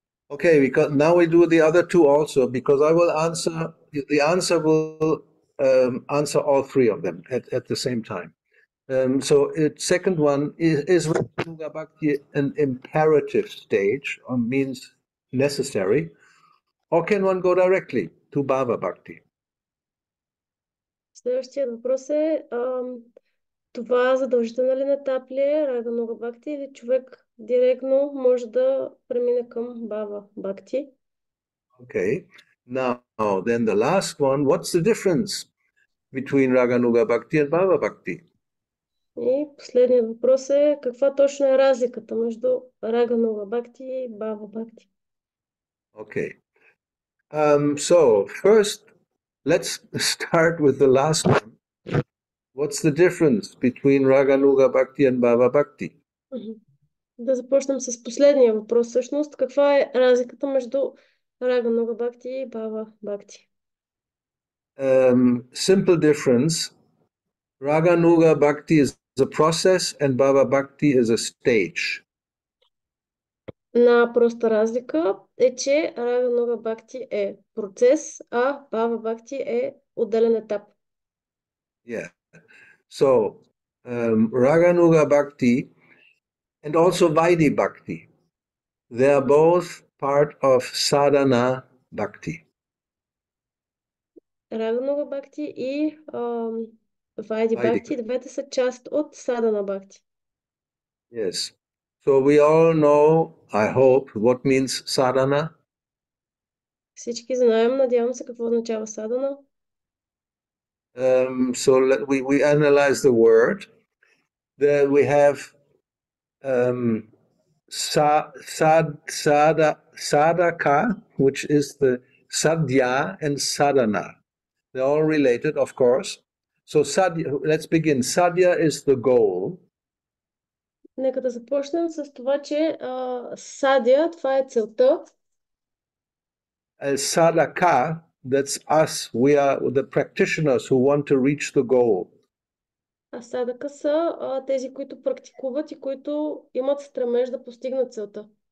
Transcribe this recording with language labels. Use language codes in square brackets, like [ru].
[en] Okay, because now we do the other two also, because I will answer, the answer will answer all three of them at the same time. So the second one is Ragānuga Bhakti an imperative stage, or means necessary, or can one go directly to Bhava Bhakti? [bg] Следващия въпрос е, това задължителен етап ли е Ragānuga Bhakti, или човек директно може да премине към Bhava Bhakti? [en] Okay, now then the last one, what's the difference between Ragānuga Bhakti and Bhava Bhakti? [bg] И последният въпрос е, каква точно е разликата между Ragānuga Bhakti и Bhava Bhakti? [en] Okay. So first, let's start with the last one. What's the difference between Ragānuga Bhakti and Bhava Bhakti? [bg] Да започнем с последния въпрос всъщност. Каква е разликата между Ragānuga Bhakti и Bhava Bhakti? [en] Simple difference. Ragānuga Bhakti is the process and Bhava Bhakti is a stage. [bg] Една проста разлика е, че Ragānuga Bhakti е процес, а Bhava Bhakti е отделен етап. [en] Yeah. So, Ragānuga Bhakti and also Vaidhi Bhakti, they are both part of Sadhana Bhakti. [bg] Ragānuga Bhakti и Vaidhi Bhakti, двете са част от Sadhana Bhakti. [en] Yes. So we all know, I hope, what means sadhana. [bg] Всички знаем, надявам се, какво означава sadhana. [en] So we analyze the word. Then we have sadhaka, which is the sadhya, and sadhana. They're all related, of course. So sadhya, let's begin. Sadhya is the goal. [bg] Нека да започнем с това, че садия, това е целта. [en] Садака, that's us, we are the practitioners who want to reach the goal. [bg] А садака са тези, които практикуват и които имат стремеж да постигнат целта.